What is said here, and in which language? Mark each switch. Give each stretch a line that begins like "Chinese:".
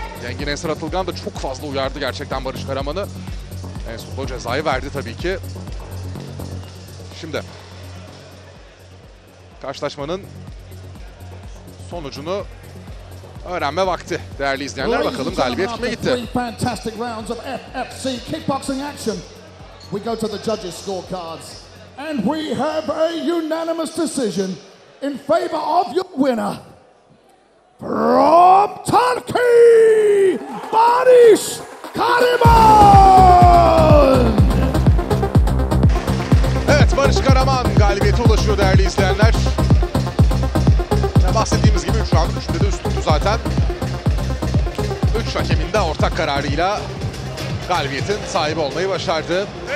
Turkish: Yengin Ensar Atılgan da çok fazla uyardı gerçekten Barış Karaman'ı. En sonunda cezayı verdi tabii ki. Şimdi karşılaşmanın sonucunu öğrenme vakti değerli izleyenler, bakalım galibiyet kime gitti.
English: Fantastic rounds of FFC kickboxing action. We go to the judges scorecards and we have a unanimous decision in favor of your winner from Turkey, Barış Karaman.
Turkish: Evet, Barış Karaman galibiyete ulaşıyor değerli izleyenler. Bahsettiğimiz gibi 3 round 3'te de üstündü zaten. 3 hakemin de ortak kararıyla galibiyetin sahibi olmayı başardı.